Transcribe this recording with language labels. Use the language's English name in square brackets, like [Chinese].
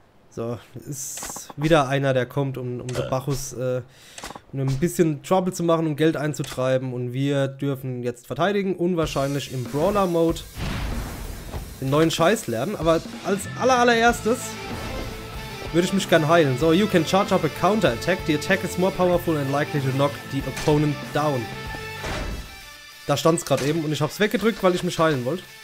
[German] So, ist wieder einer, der kommt, um den Bacchus ein bisschen Trouble zu machen und Geld einzutreiben. Und wir dürfen jetzt verteidigen, unwahrscheinlich im Brawler-Mode den neuen Scheiß lernen. Aber als allererstes würde ich mich gern heilen. [English] So, you can charge up a counter-attack. The attack is more powerful and likely to knock the opponent down. [German] Da stand es gerade eben und ich habe es weggedrückt, weil ich mich heilen wollte.